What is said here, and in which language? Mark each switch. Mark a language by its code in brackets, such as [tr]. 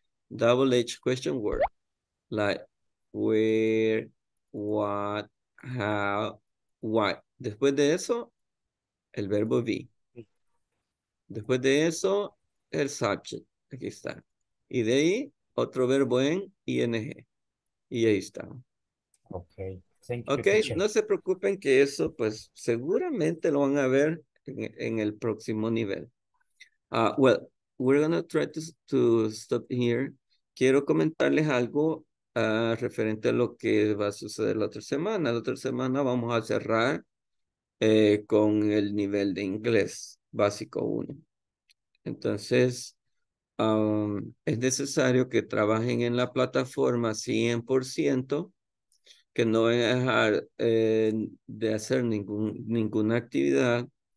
[en] Double-edged question word, like where, what, how, why. [es] Después de eso, el verbo be. Después de eso, el subject. Aquí está. Y de ahí, otro verbo en ing. Y ahí está. Ok, okay. No se preocupen que eso, pues, seguramente lo van a ver en el próximo nivel. [en] Well, we're going to try to stop here. [es] Quiero comentarles algo referente a lo que va a suceder la otra semana. La otra semana vamos a cerrar con el nivel de inglés básico 1. Entonces, es necesario que trabajen en la plataforma 100%, que no vayan a dejar de hacer ninguna actividad.